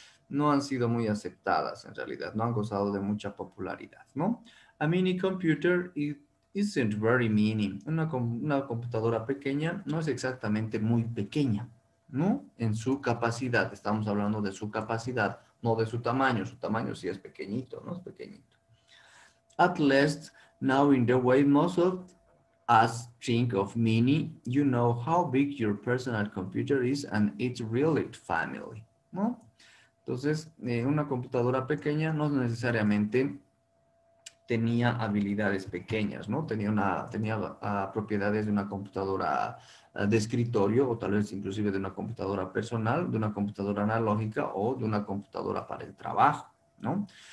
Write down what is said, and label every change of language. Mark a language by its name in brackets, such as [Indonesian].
[Spanish] No han sido muy aceptadas en realidad. No han gozado de mucha popularidad, ¿no? [English] A mini computer isn't very mini. [Spanish] Una computadora pequeña no es exactamente muy pequeña, ¿no? En su capacidad. Estamos hablando de su capacidad, no de su tamaño. Su tamaño sí es pequeñito, ¿no? Es pequeñito. [English] At least, now in the way most of us think of mini, you know how big your personal computer is and its related family, ¿no? [Spanish] Entonces, una computadora pequeña no necesariamente tenía habilidades pequeñas, ¿no? Tenía propiedades de una computadora de escritorio o tal vez inclusive de una computadora personal, de una computadora analógica o de una computadora para el trabajo, ¿no?